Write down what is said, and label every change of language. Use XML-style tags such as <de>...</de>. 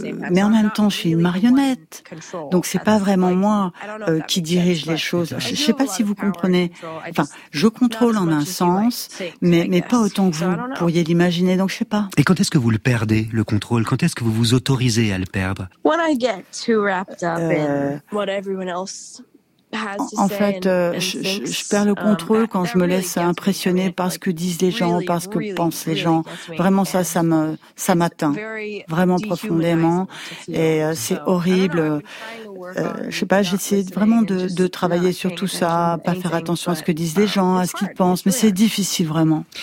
<fr>Mais en même temps, je suis une marionnette. Donc, c'est pas vraiment moi qui dirige les choses. Je sais pas si vous comprenez. Enfin, je contrôle en un sens, mais pas autant que vous pourriez l'imaginer. Donc, je sais pas. Et quand est-ce que vous le perdez, le contrôle? Quand est-ce que vous vous autorisez à le perdre?</fr> <en>When I get too wrapped up in what everyone else.</en> <fr>En fait, je perds le contrôle quand je me laisse impressionner par ce que disent les gens, par ce que pensent les gens. Vraiment, ça m'atteint vraiment profondément. Et c'est horrible. Je sais pas, j'essaie vraiment de travailler sur tout ça, pas faire attention à ce que disent les gens, à ce qu'ils pensent, mais c'est difficile vraiment.</fr>